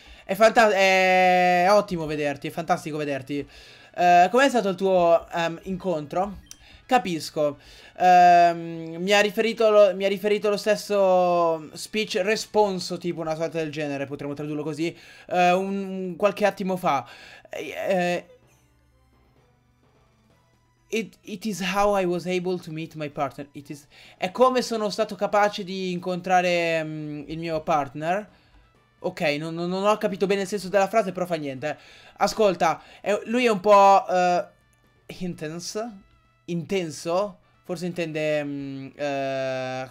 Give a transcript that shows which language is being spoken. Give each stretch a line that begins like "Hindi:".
Italian: È ottimo vederti, è fantastico vederti. Com'è stato il tuo incontro? Capisco. Mi ha riferito lo stesso speech responso, tipo una sorta del genere, potremmo tradurlo così, un qualche attimo fa.
English: It is how I was able to meet my partner.
Italian: È come sono stato capace di incontrare il mio partner. Ok, non ho capito bene il senso della frase, però fa niente. Ascolta, lui è un po'... intense? Intenso? Forse intende...